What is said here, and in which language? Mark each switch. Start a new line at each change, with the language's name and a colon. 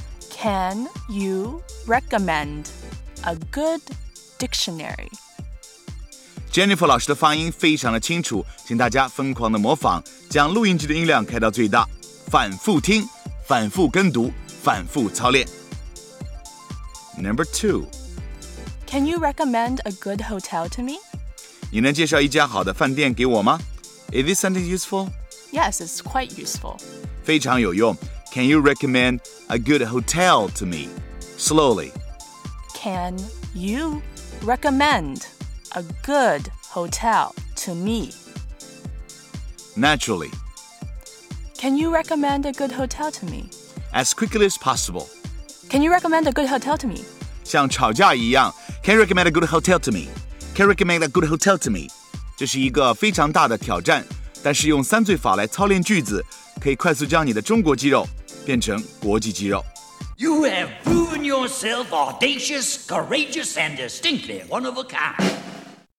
English: Can you recommend a good dictionary?
Chinese: Jennifer 老师的发音非常的清楚，请大家疯狂的模仿，将录音机的音量开到最大，反复听，反复跟读，反复操练。
English: Number two. Can you recommend a good hotel to me?
Chinese: 你能介绍一家好的饭店给我吗?
English: Is this sentence useful? Yes, it's quite useful.
Chinese: 非常有用。
English: Can you recommend a good hotel to me? Slowly. Can you recommend a good hotel to me? Naturally. Can you recommend a good hotel to me? As quickly as possible. Can you recommend a good hotel to me?
Chinese: 像吵架一样。
English: Can you recommend a good hotel to me? Can recommend a good hotel to me?
Chinese: 这是一个非常大的挑战，但是用三字法来操练句子，可以快速将你的中国肌肉变成国际肌肉。
English: You have proven yourself audacious, courageous, and distinctly one of a kind.